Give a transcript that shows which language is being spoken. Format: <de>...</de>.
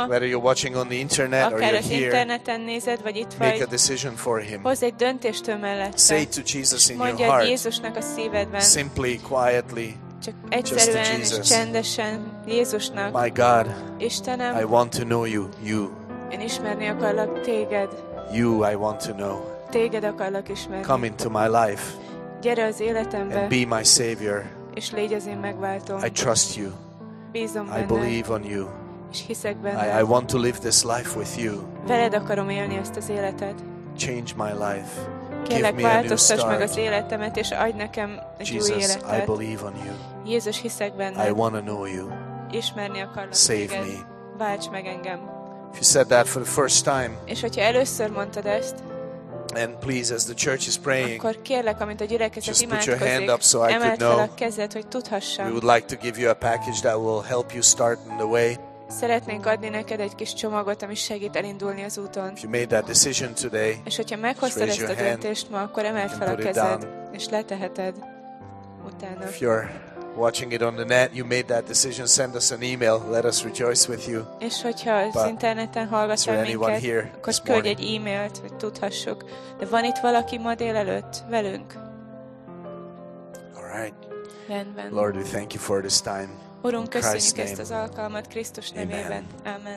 <en>whether you're watching on the internet or you're here,</en> <hu>interneten nézed, vagy itt</hu> <en>make</en> <hu>vagy,</hu> <en>a decision for him.</en> <hu>Hozz egy döntést ő mellette.</hu> <en>Say to Jesus in</en> <hu>mondjad</hu> <en>your heart,</en> <hu>Jézusnak a szívedben,</hu> <en>simply, quietly,</en> <hu>csak egyszerűen</hu> <en>just to Jesus.</en> <hu>És csendesen Jézusnak.</hu> <en>My God,</en> <hu>Istenem,</hu> <en>I want to know you.</en> <hu>Én ismerni akarlak téged.</hu> <en>You, I want to know.</en> <hu>Téged akarlak ismerni.</hu> <en>Come into my life.</en> <hu>Gyere az életembe.</hu> <en>And be my savior.</en> <hu>És légy az én megváltom.</hu> <en>I trust you.</en> <hu>Bízom benne.</hu> <en>I believe on you.</en> <hu>És hiszek benne.</hu> <en>I want to live this life with you.</en> <hu>Veled akarom élni ezt az életet.</hu> <en>Change my life.</en> <hu>Kérlek, változtass meg az életemet, és adj nekem egy</hu> <en>Jesus,</en> <hu>új életet.</hu> <en>I believe on you.</en> <hu>Jézus, hiszek benne.</hu> <en>I want to know you.</en> <hu>Ismerni akarlak téged.</hu> <en>Save me.</en> <hu>Válts meg engem.</hu> <en>If you said that for the first time,</en> <hu>és hogyha először mondtad ezt,</hu> <en>and please, as the church is praying,</en> <hu>akkor kérlek, amint a gyülekezet</hu> <en>just</en> <hu>imádkozik,</hu> <en>put your hand up so I could know.</en> <hu>A kezed, hogy tudhassam.</hu> <en>We would like to give you a package that will help you start in the way.</en> <hu>Szeretnénk adni neked egy kis csomagot, ami segít elindulni az úton.</hu> <en>If you made that decision today,</en> <hu>és hogyha meghoztad ezt a döntést ma, akkor emeld fel a kezed, és leteheted utána.</hu> <en>If you're watching it on the net, you made that decision, send us an email, let us rejoice with you.</en> <hu>És hogyha az interneten hallgatsz minket,</hu> <en>is there anyone here</en> <hu>akkor küldj egy e-mailt, hogy tudhassuk. De van itt valaki ma délelőtt velünk?</hu> <en>All right.</en> <hu>Rendben.</hu> <en>Lord, we thank you for this time.</en> <hu>Urunk, köszönjük ezt az alkalmat Krisztus nevében. Amen.</hu>